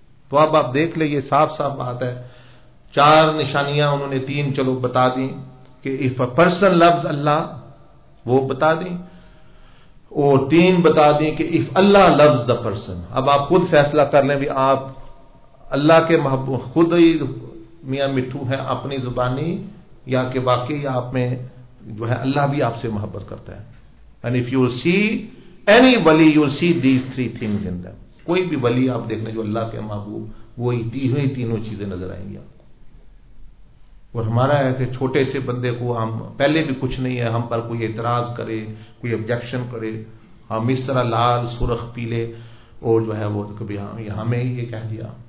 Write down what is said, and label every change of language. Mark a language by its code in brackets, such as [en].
[ur] تو اب آپ دیکھ لیں، یہ صاف صاف بات ہے، چار نشانیاں انہوں نے تین چلو بتا دیں کہ [en] if a person loves Allah [ur] وہ بتا دیں، اور تین بتا دیں کہ [en] if Allah loves the person. [ur] اب آپ خود فیصلہ کر لیں بھی آپ اللہ کے محبوب، خود ہی میاں مٹھو ہیں اپنی زبانی، یا کہ واقعی آپ میں جو ہے اللہ بھی آپ سے محبت کرتا ہے. [en] And if you see any wali, you will see these three things in them. [ur] کوئی بھی ولی آپ دیکھنا جو اللہ کے محبوب، وہ یہی تینوں چیزیں نظر آئیں گی آپ کو. اور ہمارا ہے کہ چھوٹے سے بندے کو ہم، پہلے بھی کچھ نہیں ہے ہم پر کوئی اعتراض کرے، کوئی آبجیکشن کرے، ہم اس طرح لال سرخ پیلے، اور جو ہے وہ کبھی ہمیں یہ کہہ دیا،